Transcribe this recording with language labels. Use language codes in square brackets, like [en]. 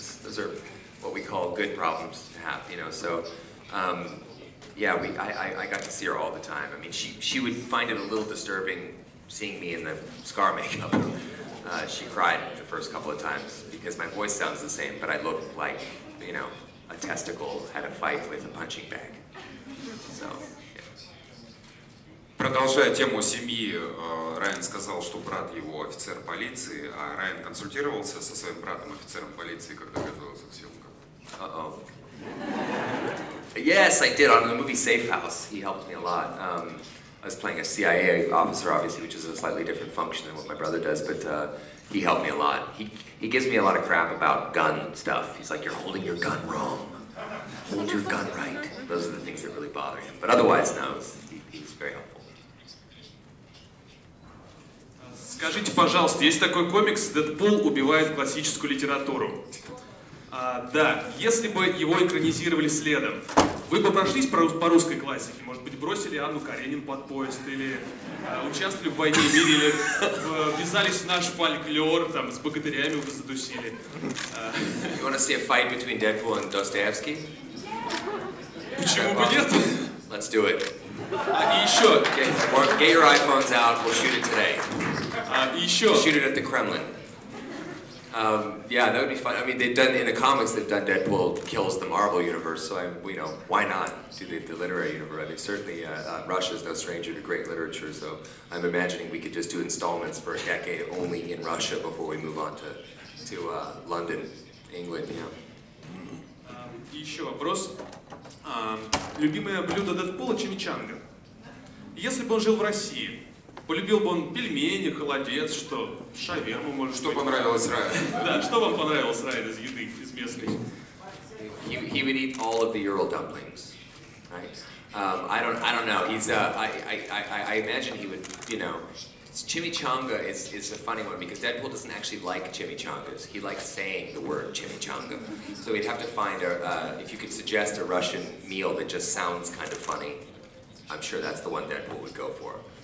[en] Those are what we call good problems to have, you know. So, I got to see her all the time. I mean, she would find it a little disturbing seeing me in the scar makeup. She cried the first couple of times because my voice sounds the same, but I look like, you know, a testicle had a fight with a punching bag. So, yeah. [ru] Продолжая тему семьи, Райан сказал, что брат его офицер полиции, а Райан консультировался со своим братом офицером полиции, когда готовился к съемкам. [en] Uh-oh. Yes, I did. On the movie Safe House, he helped me a lot. I was playing a CIA officer, obviously, which is a slightly different function than what my brother does, but he helped me a lot. He gives me a lot of crap about gun stuff. He's like, you're holding your gun wrong. hold your gun right. Those are the things that really bother him. But otherwise, no, he's very helpful. [ru] Скажите, пожалуйста, есть такой комикс «Дэдпул убивает классическую литературу». Да, если бы его экранизировали следом, вы бы прошлись по русской классике? Может быть, бросили Анну Каренину под поезд? Или участвовали в «Войне и мире»? Или ввязались в наш фольклор, там, с богатырями вы задусили? [en] You want to see a fight between Deadpool and Dostoevsky? [ru] Почему бы нет? [en] Let's do it. [ru] И еще. [en] Get your iPhones out, we'll shoot it today. Shoot it at the Kremlin. Yeah, that would be fun. I mean, they've done in the comics. They've done Deadpool kills the Marvel universe. So you know, why not do the literary universe? I mean, certainly Russia is no stranger to great literature. So I'm imagining we could just do installments for a decade only in Russia before we move on to London, England. Yeah. [ru] Еще вопрос. Любимое блюдо Дэдпула чимичанга. Если бы он жил в России. Полюбил бы он пельмени, холодец, что? Шаверму, может быть. Что понравилось Райану? Да, что вам понравилось, Райан, из еды, из местной? [en] He would eat all of the Ural dumplings, right? I don't know, he's, I imagine he would, you know, chimichanga is a funny one, because Deadpool doesn't actually like chimichangas. He likes saying the word chimichanga. So we'd have to find, if you could suggest a Russian meal that just sounds kind of funny, I'm sure that's the one Deadpool would go for.